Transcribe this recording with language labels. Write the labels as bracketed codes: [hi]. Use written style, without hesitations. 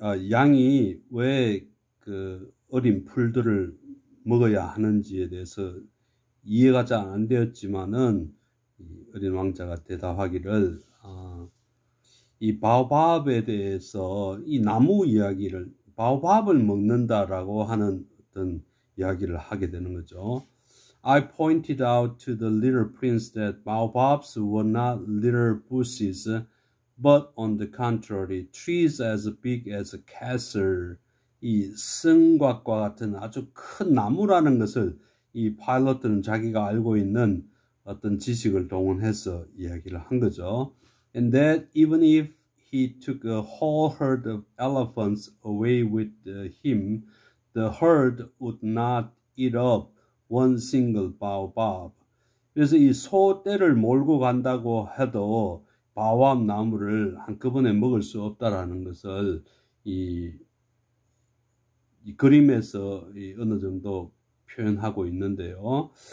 [ko] 양이 왜 그 어린 풀들을 먹어야 하는지에 대해서 이해가 잘안 되었지만은 어린 왕자가 대답하기를 이 바오밥에 대해서 이 나무 이야기를 바오밥을 먹는다라고 하는 어떤 이야기를 하게 되는 거죠. [en] I pointed out to the little prince that baobabs were not little bushes, but on the contrary, trees as big as a castle. [ko] 이 성곽과 같은 아주 큰 나무라는 것을 이 파일럿은 자기가 알고 있는 어떤 지식을 동원해서 이야기를 한 거죠. [en] And that even if he took a whole herd of elephants away with him, the herd would not eat up one single baobab. [ko] 그래서 이 소떼를 몰고 간다고 해도 바밤 나무를 한꺼번에 먹을 수 없다라는 것을 이 그림에서 이 어느 정도 표현하고 있는데요.